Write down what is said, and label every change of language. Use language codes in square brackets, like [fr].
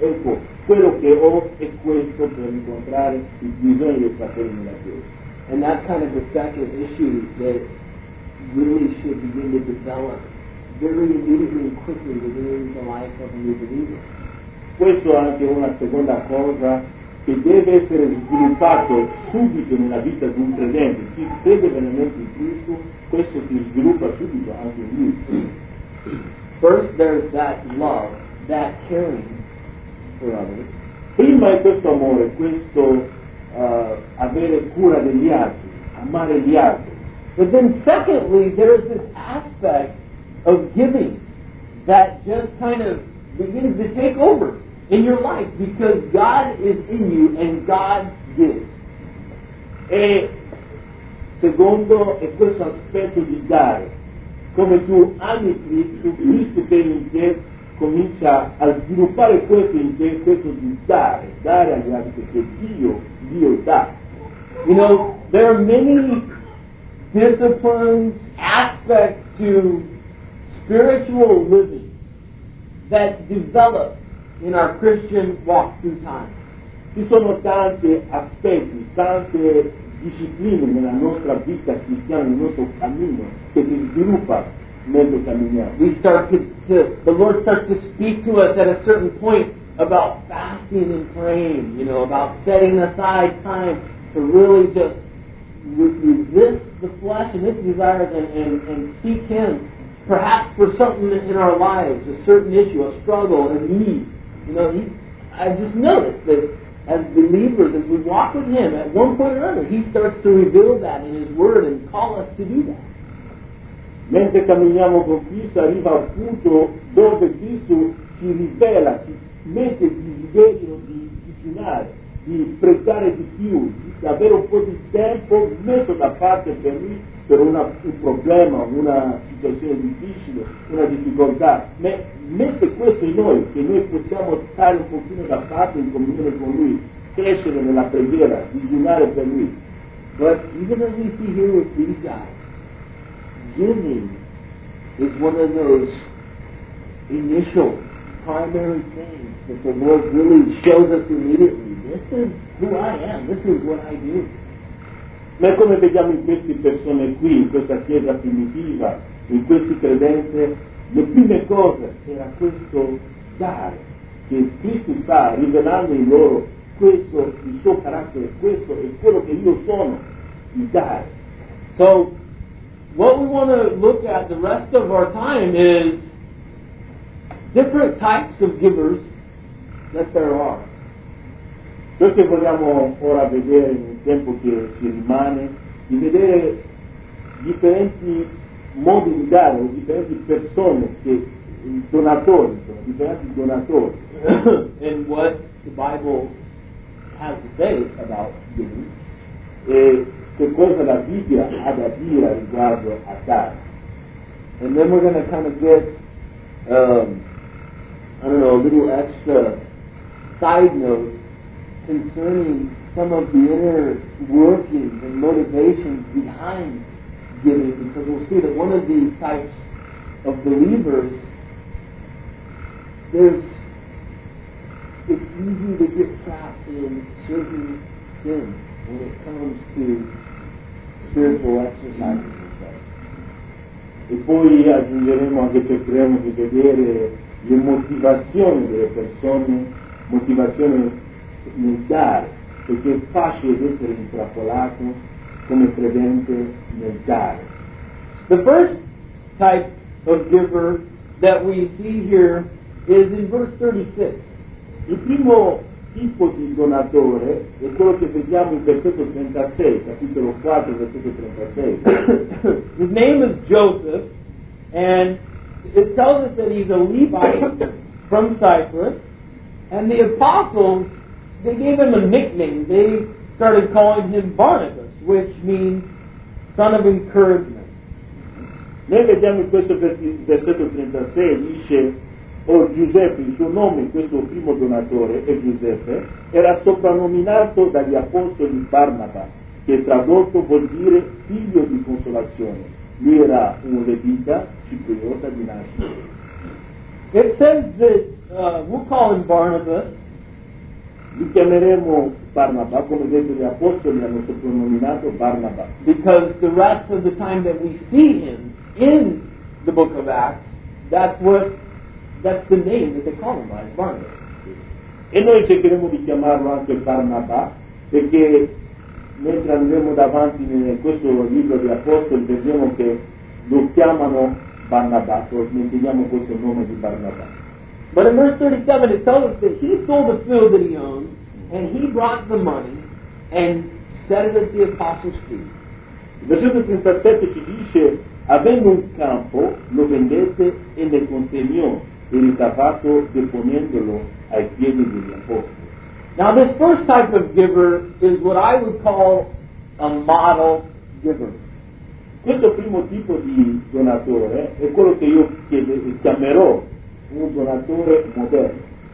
[it] Ecco, quello che ho è questo per incontrare il bisogno del fratello nella chiesa. [en] And that's kind of the second issue that really should begin to develop very immediately and quickly within the life of a new believer. [it] Questo è anche una seconda cosa che deve essere sviluppato subito nella vita di un credente. Chi crede veramente in Cristo, questo si sviluppa subito anche in lui. [en] First there's that love, that caring for others. [it] Prima è questo amore, questo avere cura degli altri, amare gli altri. [en] But then secondly there's this aspect of giving that just kind of begins to take over in your life, because God is in you and God gives. [it] E secondo è questo aspetto di dare. Come tu ami Cristo, Cristo che è in te comincia a sviluppare questo in te, questo di dare, dare agli altri, perché Dio, Dio dà. [en] You know, there are many disciplines, aspects to spiritual living that develop in our Christian walk through time. [it] Ci sono tanti aspetti, tante discipline nella nostra vita cristiana, nel nostro cammino, che si sviluppa mentre camminiamo. [en] We start to, the Lord starts to speak to us at a certain point about fasting and praying, you know, about setting aside time to really just resist the flesh and its desires and seek Him, perhaps for something in our lives, a certain issue, a struggle, a need. You know, I just noticed that as believers, as we walk with Him, at one point or another, He starts to reveal that in His Word and call us to do that. [it] Mentre camminiamo con Cristo, arriva al punto dove Cristo ci rivela, ci mette il desiderio di digiunare, di prestare di più, di avere un po' di tempo messo da parte per lui per un problema, una situazione difficile, una difficoltà. Ma mette questo in noi, che noi possiamo stare un pochino da parte in comunione con lui, crescere nella preghiera, digiunare per lui. [en] But even as we see here with these guys, giving is one of those initial primary things that the Lord really shows us immediately. This is who I am. This is what I do. [it] Ma come vediamo in queste persone qui, in questa chiesa primitiva, in questi credenti, le prime cose era questo dare, che Cristo sta rivelando in loro questo, il suo carattere, questo è quello che io sono, il dare. [en] So, what we want to look at the rest of our time is different types of givers that there are. [it] Quello che vogliamo ora vedere nel tempo che ci rimane, di vedere differenti modi di dare, differenti persone, che donatori, differenti donatori. [en] And what the Bible has to say about giving. [it] E che cosa la Bibbia ha da dire riguardo a dare. [en] And then we're going to kind of get, I don't know, a little extra side note concerning some of the inner workings and motivations behind giving, because we'll see that one of these types of believers, it's easy to get trapped in certain sins when it comes to spiritual exercises and stuff. [it] E poi aggiungeremo anche che cercheremo di vedere le motivazioni delle persone, motivazioni nel dare, perché è facile essere intrappolato come credente nel dare. [en] The first type of giver that we see here is in verse 36. [it] Il primo tipo di donatore è quello che vediamo in versetto 36, capitolo 4, versetto 36. [en] His name is Joseph, and it tells us that he's a Levite from Cyprus, and the apostles, they gave him a nickname. They started calling him Barnabas, which means son of encouragement. [it] Noi vediamo in questo versetto 36, dice, o Giuseppe, il suo nome, questo primo donatore, è Giuseppe, era soprannominato dagli apostoli Barnaba, che tradotto vuol dire figlio di consolazione. Lui era un levita cipriota di nascita. [en] It says that, we'll call him Barnabas. [it] Li chiameremo Barnaba, come detto gli apostoli hanno soprannominato Barnaba. [en] Because the rest of the time that we see him in the book of Acts, that's the name that they call him by, Barnabas. [it] E noi cercheremo di chiamarlo anche Barnaba, perché mentre andremo davanti in questo libro di apostoli vediamo che lo chiamano Barnaba, quindi vediamo questo nome di Barnaba. [en] But in verse 37 it tells us that he sold the field that he owned, and he brought the money and set it at the apostles' feet. [it] Versetto 37 ci dice, avendo un campo, lo vendette e ne consegnò il ricavato deponendolo [en] I give it is impossible. Now, this first type of giver is what I would call a model giver. [it] Questo primo tipo di donatore è quello che io chiamerò un donatore modello.